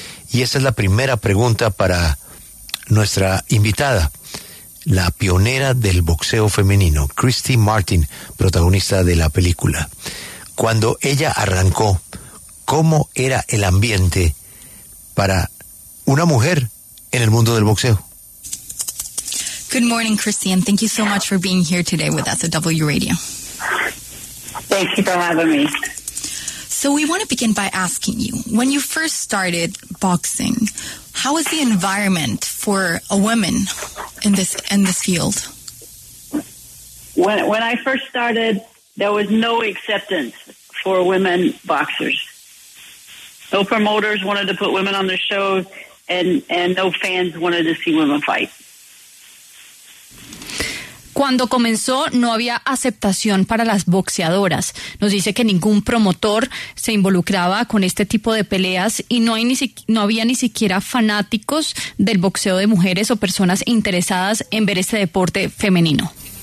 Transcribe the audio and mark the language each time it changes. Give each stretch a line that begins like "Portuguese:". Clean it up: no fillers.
Spanish: Y esa es la primera pregunta para nuestra invitada, la pionera del boxeo femenino, Christie Martin, protagonista de la película. Cuando ella arrancó, ¿cómo era el ambiente para una mujer en el mundo del boxeo?
English: Good morning, Christie, and thank you so much for being here today with us at W Radio. Thank you for having me. So we want to begin by asking you, when you first started boxing, how was the environment for a woman in this field? When I first started, there was no acceptance for women boxers. No promoters wanted to put women on their shows, and no fans wanted to see women fight.
Spanish: Cuando comenzó, no había aceptación para las boxeadoras. Nos dice que ningún promotor se involucraba con este tipo de peleas y no había ni siquiera fanáticos del boxeo de mujeres o personas interesadas en ver este deporte femenino.